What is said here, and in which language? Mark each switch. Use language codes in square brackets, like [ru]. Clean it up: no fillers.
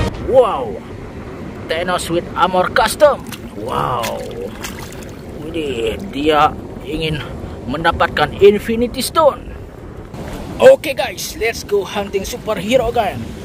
[en] Wow, Thanos with armor custom. [id] Wow, ini dia ingin mendapatkan Infinity Stone. [en] Okay guys, let's go hunting superhero again.